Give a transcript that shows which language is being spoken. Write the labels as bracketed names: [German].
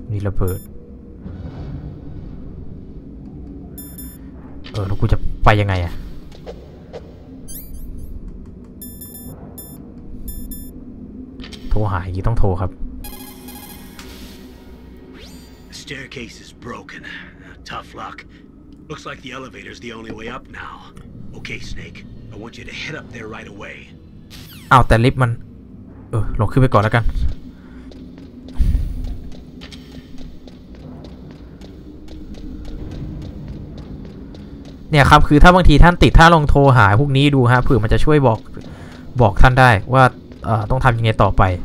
[Thai] ระเบิดแล้วกูจะไปยังไงอะโทรหายี่ต้องโทรครับ [English] The staircase is broken. Tough luck. Looks like the elevator's the only way up now. Okay, Snake. I want you to head up there right away. [Thai] เอาแต่ลิฟต์มันลงขึ้นไปก่อนแล้วกันเนี่ยครับคือถ้าบางทีท่านติดถ้าลองโทรหาพวกนี้ดูฮะเผื่อมันจะช่วยบอกท่านได้ว่าต้องทำยังไงต่อไป